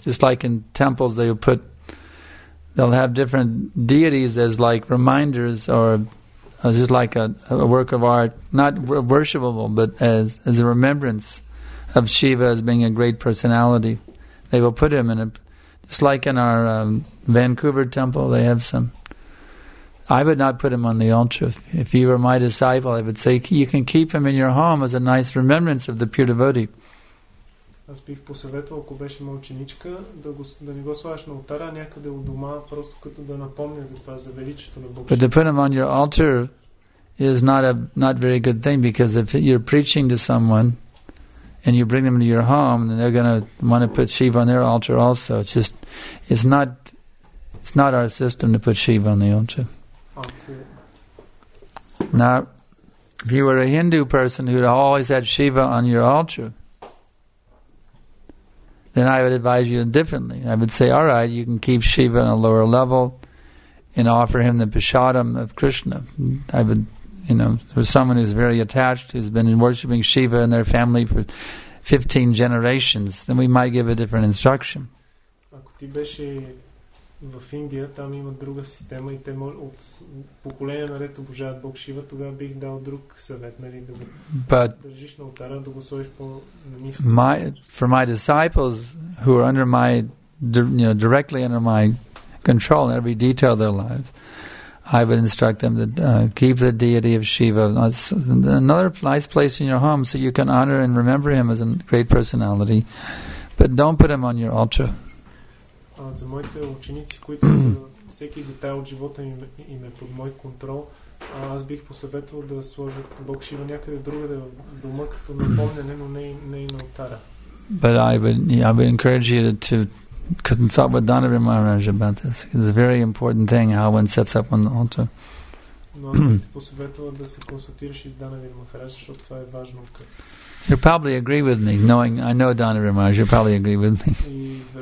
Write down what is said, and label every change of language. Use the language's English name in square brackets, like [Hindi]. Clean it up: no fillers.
[English] Just like in temples, they would put They'll have different deities as like reminders or just like a work of art, not worshipable, but as a remembrance of Shiva as being a great personality. They will put him in a, just like in our Vancouver temple, they have some. I would not put him on the altar. If you were my disciple, I would say you can keep him in your home as a nice remembrance of the pure devotee. [Bulgarian] Аз бих посъветвал, ако беше моя ученичка, да не го слагаш на алтара, някъде от дома, просто като да напомня за това, за величието на Бог. [English] But to put him on your altar is not very good thing, because if you're preaching to someone and you bring them to your home, then they're going to want to put Shiva on their altar also. It's just, it's not our system to put Shiva on the altar. Now, if you were a Hindu person who'd always had Shiva on your altar, then I would advise you differently. I would say, all right, you can keep Shiva on a lower level and offer him the prasadam of Krishna. I would, you know, for someone who's very attached, who's been worshipping Shiva in their family for 15 generations, then we might give a different instruction. [Bulgarian] Ако ти беше в Индия, там има друга система и те от поколение наред обожават Бог Шива, тогава бих дал друг съвет, нали, да го държиш на алтара, да го сложиш по ниско. [English] For my disciples who are under my, you know, directly under my control in every detail of their lives, I would instruct them to keep the deity of Shiva. Another nice place in your home so you can honor and remember him as a great personality, but don't put him on your altar. [Bulgarian] За моите ученици, които всеки детайл от живота им е под мой контрол, аз бих посъветвал да сложат Бог Шива някъде другаде в дома, като напомняне, но не и на алтара. [English] But I would encourage you to Kadansava Dhanavir Maharaj about this. It's a very important thing how one sets up on the altar. You probably agree with me, knowing I know Dhanavir Maharaj, you probably agree with me.